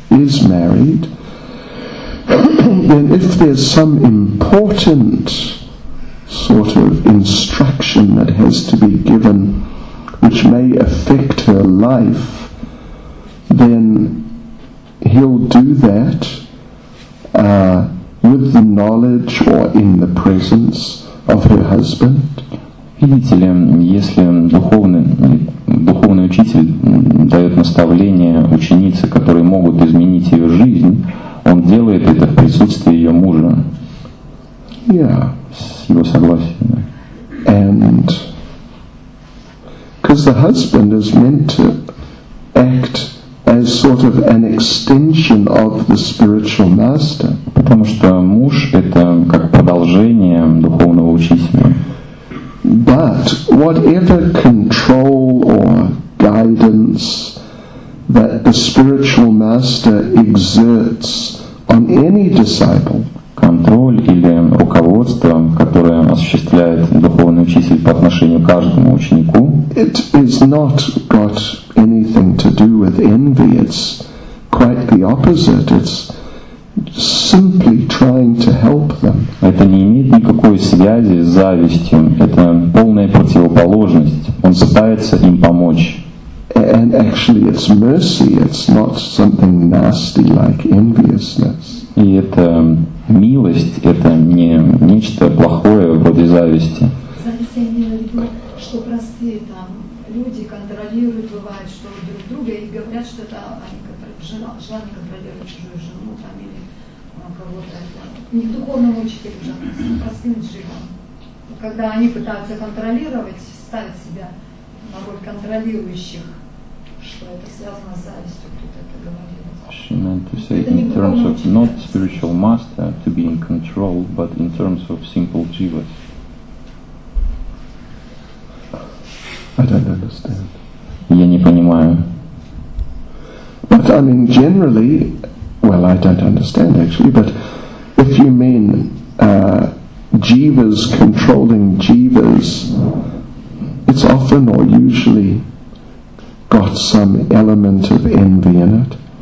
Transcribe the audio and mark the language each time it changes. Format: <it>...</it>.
<en>is married, then if there's some important sort of instruction that has to be given which may affect her life, then he'll do that with the knowledge or in the presence of her husband.</en> <ru>Видите ли, если духовный учитель дает наставление ученице, которые могут изменить ее жизнь, он делает это в присутствии ее мужа.</ru> <en>Yeah.</en> <ru>С его согласием.</ru> <en>And because the husband is meant to act as sort of an extension of the spiritual master.</en> <ru>Потому что муж это как продолжение духовного учителя.</ru> <en>But whatever control or guidance that the spiritual master exerts on any disciple,</en> <ru>контроль или руководство, которое осуществляет духовный учитель по отношению к каждому ученику,</ru> <en>it is not got anything to do with envy. It's quite the opposite. It's simply trying to help them.</en> <ru>Это не имеет никакой связи с завистью. Это полная противоположность. Он пытается им помочь.</ru> <en>And actually it's mercy. It's not something nasty like enviousness.</en> <ru>И это милость, это не нечто плохое вроде зависти. Зависть, я имею в виду, что простые там люди контролируют, бывает, что друг друга и говорят, что это они желание контролировать чужую жену там или кого-то. Не к духовному учителю, а простым джигам. Когда они пытаются контролировать, ставят себя на роль контролирующих, что это связано с завистью, кто-то это говорит.</ru> <en>She meant to say in terms of not spiritual master to be in control, but in terms of simple jivas. I don't understand.</en> <ru>Я не понимаю.</ru> <en>But I mean generally, well I don't understand actually, but if you mean jivas controlling jivas, it's often or usually got some element of envy in it.</en>